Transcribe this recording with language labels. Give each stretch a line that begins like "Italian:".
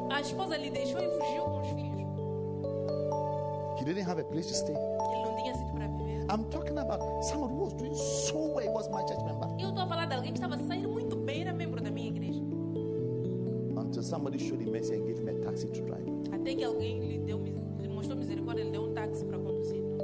Portuguese: A esposa lhe deixou e fugiu com os filhos.
English: He didn't have a place to stay.
Portuguese: Ele não tinha sítio para viver.
English: I'm talking about someone who was doing so well, he was my church member.
Portuguese: Eu estou a falar de alguém que estava saindo muito bem, era membro da minha igreja.
English: Until somebody showed him mercy and gave him a taxi to drive.
Portuguese: Até que alguém lhe mostrou misericórdia, ele deu um táxi para conduzir.